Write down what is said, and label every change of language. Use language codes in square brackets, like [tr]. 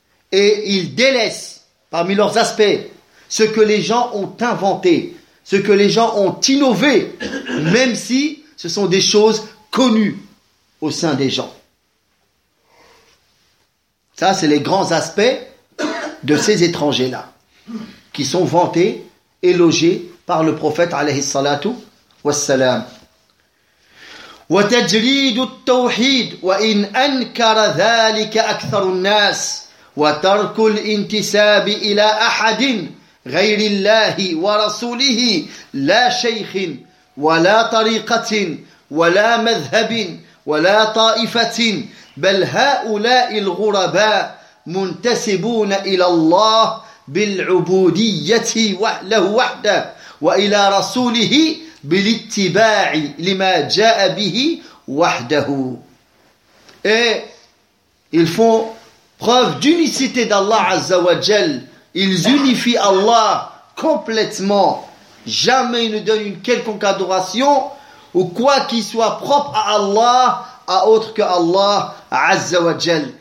[fr] Et ils délaissent parmi leurs aspects ce que les gens ont inventé, ce que les gens ont innové, même si ce sont des choses connues au sein des gens. Ça, c'est les grands aspects de ces étrangers-là, qui sont vantés, élogés par le prophète, alayhi salatu wassalam. [ar] Wa tajridu at-tawhid wa in ankara dhalika aktharu an-nas wa tarku al-intisab ila ahadin غير الله ورسوله لا شيخ ولا طريقة ولا مذهب ولا طائفة بل هؤلاء الغرباء منتسبون إلى الله بالعبودية له وحده وإلى رسوله بالاتباع لما جاء به وحده. [fr] Ils font preuve d'unicité d'Allah Azza wa Jal. Ils unifient Allah complètement. Jamais ils ne donnent une quelconque adoration ou quoi qu'il soit propre à Allah, à autre que Allah, Azza wa Jal.